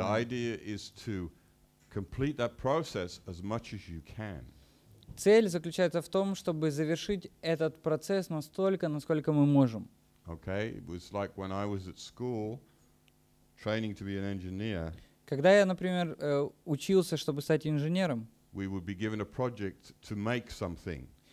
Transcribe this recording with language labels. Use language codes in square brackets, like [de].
[en] The idea is to complete that process as much as you can. [ru] Цель заключается в том, чтобы завершить этот процесс настолько, насколько мы можем. [en] Okay, it was like when I was at school, training to be an engineer. [ru] Когда я, например, учился, чтобы стать инженером, [en] we would be given a project to make something.